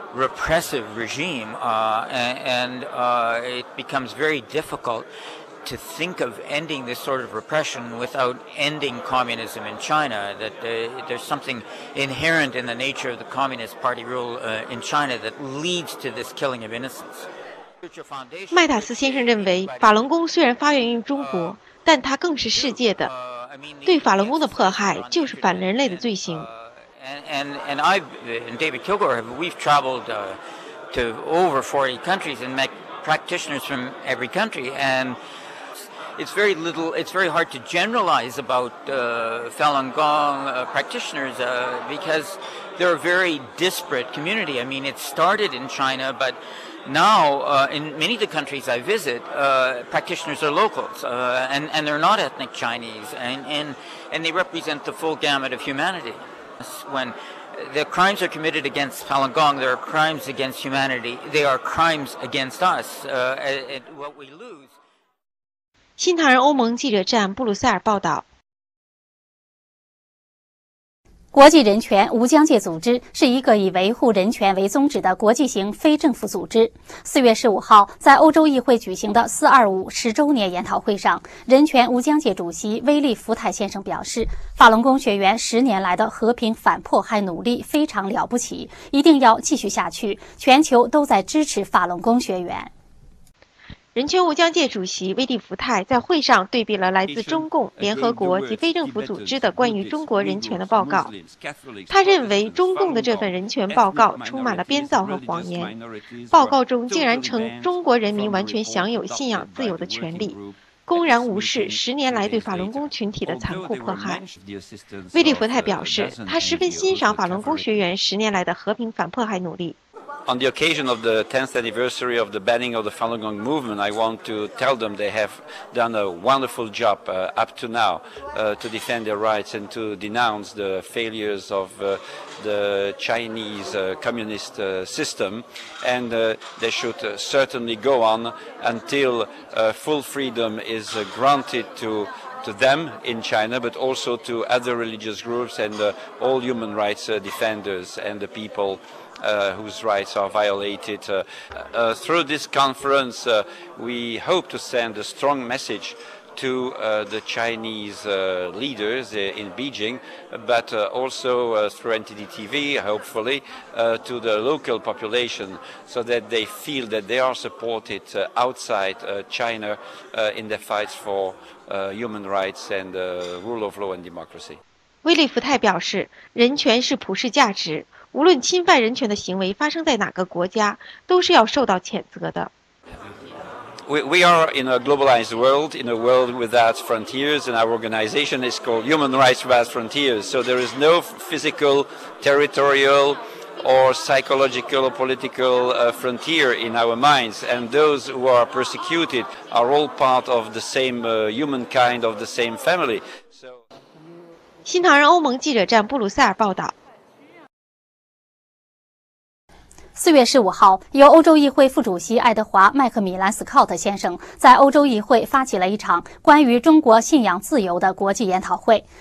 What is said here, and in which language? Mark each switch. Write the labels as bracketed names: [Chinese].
[English] repressive regime, it becomes very difficult to think of ending this sort of repression without ending communism in China, that there's something inherent in the nature of the Communist Party rule in China that leads to this killing of innocents. [Chinese] 麦塔斯先生认为，法轮功虽然发源于中国，但它更是世界的。对法轮功的迫害就是反人类的罪行。 [English] And I and David Kilgore, we've traveled to over 40 countries and met practitioners from every country. And it's very hard to generalize about Falun Gong practitioners because they're a very disparate community. I mean, it started in China, but now in many of the countries I visit, practitioners are locals and they're not ethnic Chinese and they represent the full gamut of humanity. When the crimes are committed against Falun Gong, there are crimes against humanity. They are crimes against us. And what we lose. [Chinese] 新唐人欧盟记者站布鲁塞尔报道。国际人权无疆界组织是一个以维护人权为宗旨的国际型非政府组织。 4月15号在欧洲议会举行的425十周年研讨会上，人权无疆界主席威利福泰先生表示，法轮功学员十年来的和平反迫害努力非常了不起，一定要继续下去，全球都在支持法轮功学员。人权无疆界主席威利福泰在会上对比了来自中共、联合国及非政府组织的关于中国人权的报告。他认为中共的这份人权报告充满了编造和谎言。报告中竟然称中国人民完全享有信仰自由的权利，公然无视十年来对法轮功群体的残酷迫害。威利福泰表示，他十分欣赏法轮功学员十年来的和平反迫害努力。 [English] On the occasion of the 10th anniversary of the banning of the Falun Gong movement, I want to tell them they have done a wonderful job up to now to defend their rights and to denounce the failures of the Chinese communist system. And they should certainly go on until full freedom is granted to them in China, but also to other religious groups and all human rights defenders and the people. Whose rights are violated. Through this conference, we hope to send a strong message to the Chinese leaders in Beijing, but also through NTD TV, hopefully, to the local population so that they feel that they are supported outside China in their fights for human rights and rule of law and democracy. [Chinese] 威利福泰表示，人权是普世价值，无论侵犯人权的行为发生在哪个国家，都是要受到谴责的。 [English] We are in a globalized world, in a world without frontiers, and our organization is called Human Rights Without Frontiers. So there is no physical, territorial, or psychological or political frontier in our minds. And those who are persecuted are all part of the same humankind, of the same family. So... [Chinese] 新唐人欧盟记者站布鲁塞尔报道。 4月15号，由欧洲议会副主席爱德华·麦克米兰·斯考特先生在欧洲议会发起了一场关于中国信仰自由的国际研讨会。